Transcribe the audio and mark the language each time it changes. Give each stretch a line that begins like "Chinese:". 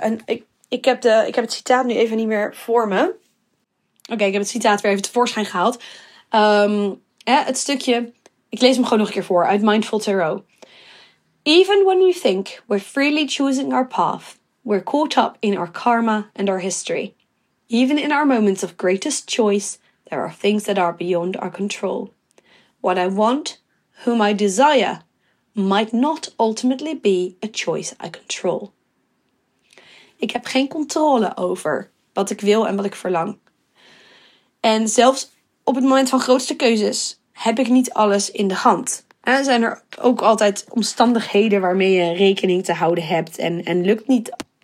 Dutch: En ik heb het citaat nu even niet meer voor me. Oké, ik heb het citaat weer even tevoorschijn gehaald. Het stukje, ik lees hem gewoon nog een keer voor, uit Mindful Tarot.
English: Even when we think we're freely choosing our path, we're caught up in our karma and our history. Even in our moments of greatest choice, there are things that are beyond our control. What I want, whom I desire, might not ultimately be a choice I control.
Dutch: Ik heb geen controle over wat ik wil en wat ik verlang. En zelfs op het moment van grootste keuzes heb ik niet alles in de hand. En zijn er ook altijd omstandigheden waarmee je rekening te houden hebt en lukt niet.